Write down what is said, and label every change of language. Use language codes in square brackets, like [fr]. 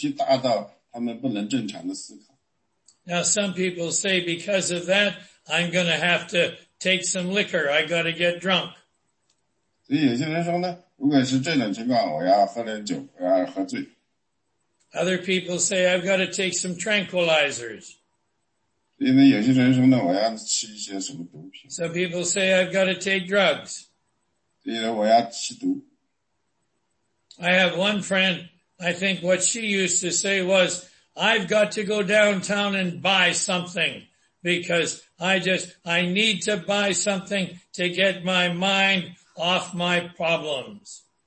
[zh] 有很多人都是这样，那个问题大到他们不能正常的思考。 [en] Now some people say, because of that, I'm going to have to take some liquor, I got to get drunk. [zh] 所以有些人说呢， 如果是这种情况，我要喝点酒，我要喝醉。 [en] Other people say, I've got to take some tranquilizers. [zh] 因为有些人说呢，我要吃一些什么毒品。 [en] Some people say, I've got to take drugs. [zh] 因为我要吃毒。 [en] I have one friend, I think what she used to say was, I've got to go downtown and buy something, because I need to buy something to get my mind off my problems.